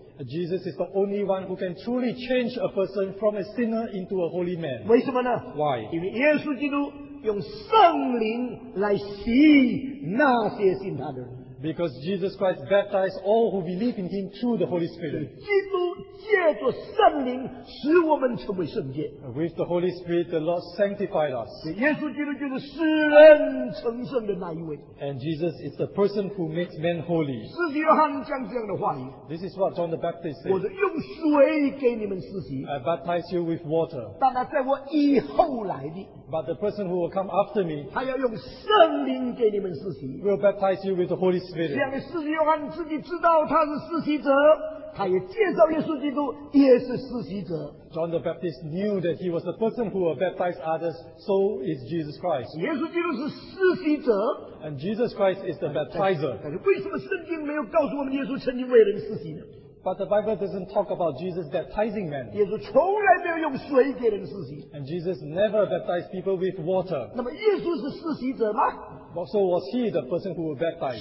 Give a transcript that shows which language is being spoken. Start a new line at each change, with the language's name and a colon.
English: Jesus is the only one who can truly change a person from a sinner into a holy man.
Chinese: 为什么呢?
English: Why?
Chinese: 因为耶稣基督用圣灵来洗那些信他的人。
English: Because Jesus Christ baptized all who believe in him through the Holy Spirit.
Chinese: 基督借着圣灵使我们成为圣洁。
English: With the Holy Spirit, the Lord sanctified us.
Chinese: 耶稣基督就是使人成圣的那一位。
English: And Jesus is the person who makes men holy.
Chinese: 使约翰讲这样的话语。
English: This is what John the Baptist said.
Chinese: 我是用水给你们施洗。
English: I baptize you with water.
Chinese: 但他在我以后来的。
English: But the person who will come after me,
Chinese: 他要用圣灵给你们施洗,
English: will baptize you with the Holy Spirit.
Chinese: 这样的使徒约翰自己知道他是施洗者, 他也介绍耶稣基督也是施洗者。
English: John the Baptist knew that he was the person who will baptize others, so is Jesus Christ.
Chinese: 耶稣基督是施洗者,
English: and Jesus Christ is the baptizer.
Chinese: 但是为什么圣经没有告诉我们耶稣曾经为人施洗呢?
English: But the Bible doesn't talk about Jesus baptizing men.
Chinese: 耶稣从来没有用水给人施洗。
English: And Jesus never baptized people with water.
Chinese: 那么耶稣是施洗者吗?
English: So was he the person who was baptized?